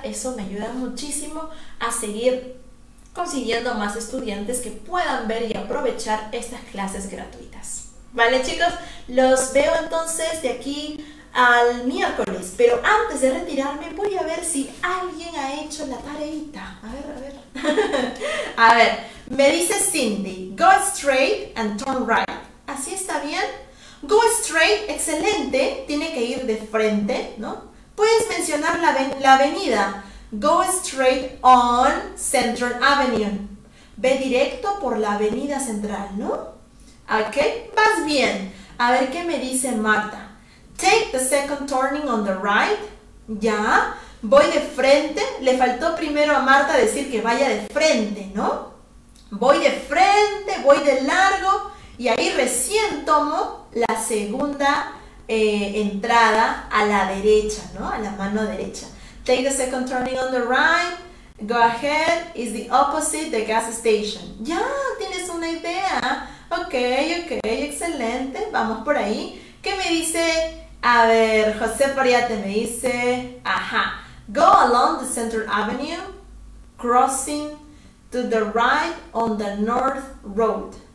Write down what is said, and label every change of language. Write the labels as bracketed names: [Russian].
[Spanish] Eso me ayuda muchísimo a seguir consiguiendo más estudiantes que puedan ver y aprovechar estas clases gratuitas. ¿Vale, chicos? Los veo entonces de aquí al miércoles, pero antes de retirarme voy a ver si alguien ha hecho la tareita. A ver, a ver. A ver, me dice Cindy, [English] go straight and turn right. [Spanish] ¿Así está bien? [English] Go straight, [Spanish] excelente, tiene que ir de frente, ¿no? Puedes mencionar la avenida. [English] Go straight on Central Avenue. [Spanish] Ve directo por la avenida central, ¿no? Ok, vas bien. A ver qué me dice Marta. [English] Take the second turning on the right. [Spanish] Ya, voy de frente. Le faltó primero a Marta decir que vaya de frente, ¿no? Voy de frente, voy de largo. Y ahí recién tomo la segunda entrada a la derecha, ¿no? A la mano derecha. [English] Take the second turning on the right. Go ahead, is the opposite the gas station. [Spanish] Ya, tienes una idea. Ok, ok, excelente. Vamos por ahí. ¿Qué me dice? A ver, José Pariate me dice, ajá. [English] Go along the Central Avenue, crossing to the right on the North Road.